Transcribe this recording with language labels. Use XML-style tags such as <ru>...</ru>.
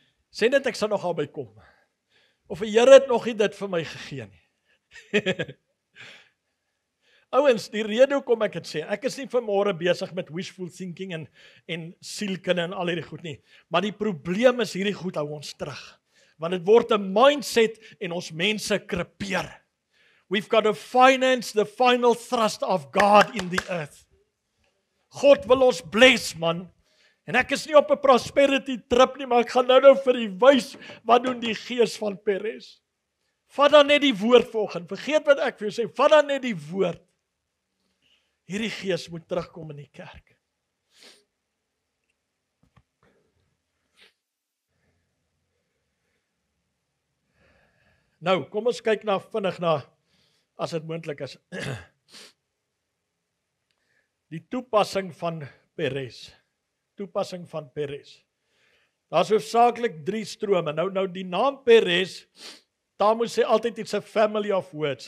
<af>Sê net, ek sal nog al bykom. Of die Here het nog nie dit vir my gegee nie. Ouens, die rede hoekom ek het sê, ek is nie vanmôre besig met</af> <en>wishful thinking</en> <af>en sielkunde en al hierdie goed nie, maar die probleem is hierdie goed hou ons terug. Want het word 'n mindset en ons mense krepeer.</af> <en>We've got to finance the final thrust of God in the earth.</en> <af>God wil ons bless, man. En ek is nie op 'n</af> <en>prosperity trip</en> <af>nie, maar ek gaan nou vir u wys wat doen die gees van Peres. Vat dan net die woord volgens. Vergeet wat ek vir jou sê, vat dan net die woord. Hierdie gees moet terugkom in die kerk. Nou, kom ons kyk na vinnig na as dit moontlik is. Die toepassing van Peres. Toepassing van Peres. Daar is hoofsaaklik drie strome. Nou die naam Peres, daar moet sê altyd iets 'n</af> <en>family of words.</en>